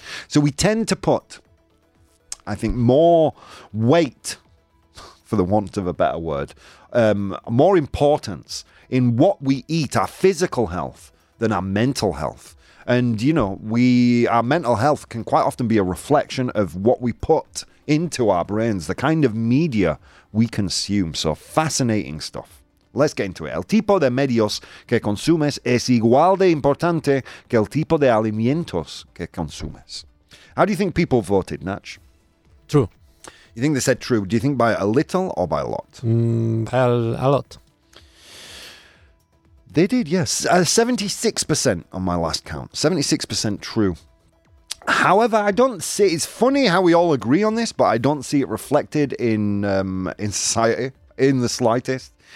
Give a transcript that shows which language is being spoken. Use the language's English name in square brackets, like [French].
[English] So we tend to put, I think, more weight, for the want of a better word, more importance in what we eat, our physical health, than our mental health. And, you know, our mental health can quite often be a reflection of what we put into our brains, the kind of media we consume. So fascinating stuff. Let's get into it. [Spanish] El tipo de medios que consumes es igual de importante que el tipo de alimentos que consumes. [English] How do you think people voted, Natch? True. You think they said true? Do you think by a little or by a lot? By a lot. They did, yes. 76% on my last count. 76% true. However, I don't see... It's funny how we all agree on this, but I don't see it reflected in society in the slightest.